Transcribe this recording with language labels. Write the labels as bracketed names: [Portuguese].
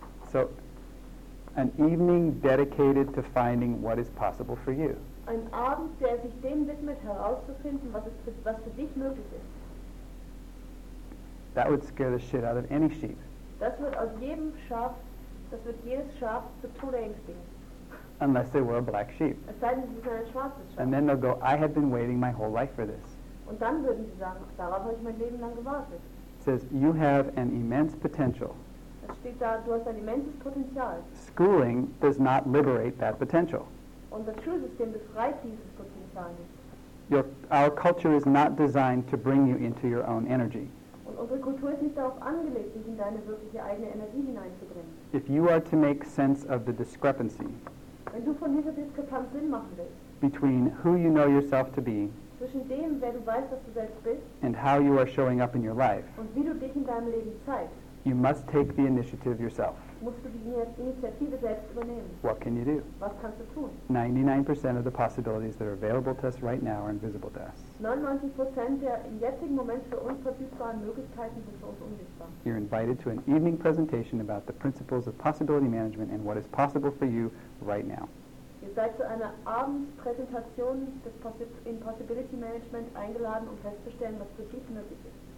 [English] So, an evening dedicated to finding what is possible for you. [German] ein Abend, der sich dem widmet, herauszufinden, was es für, was für dich möglich ist. [English] That would scare the shit out of any sheep. [German] Das wird aus jedem Schaf, das wird jedes Schaf zu Tode ängstigen. [English] Unless they were a black sheep. [German] Es sei denn, sie sind ein schwarzes Schaf. [English] And then they'll go, I have been waiting my whole life for this. [German] Und dann würden sie sagen, darauf habe ich mein Leben lang gewartet. [English] It says, you have an immense potential. [German] Es steht da, du hast ein immenses Potenzial. [English] Schooling does not liberate that potential. [German] Und das Schulsystem befreit dieses Potenzial nicht. [English] Our culture is not designed to bring you into your own energy. [German] Und unsere Kultur ist nicht darauf angelegt, dich in deine wirkliche eigene Energie hineinzubringen. [English] If you are to make sense of the discrepancy, [German] wenn du von dieser Diskrepanz Sinn machen willst, [English] between who you know yourself to be, [German] zwischen dem, wer du weißt, was du selbst bist, [English] and how you are showing up in your life, [German] und wie du dich in deinem Leben zeigst, [English] you must take the initiative yourself. [German] Musst du die Initiative selbst übernehmen. [English] What can you do? [German] Was kannst du tun? [English] 99% of the possibilities that are available to us right now are invisible to us. [German] 99% der im jetzigen Moment für uns verfügbaren Möglichkeiten sind für uns unsichtbar. [English] You're invited to an evening presentation about the principles of possibility management and what is possible for you right now. [German] Ihr seid zu einer Abendpräsentation des in Possibility Management eingeladen, um festzustellen, was für dich möglich ist.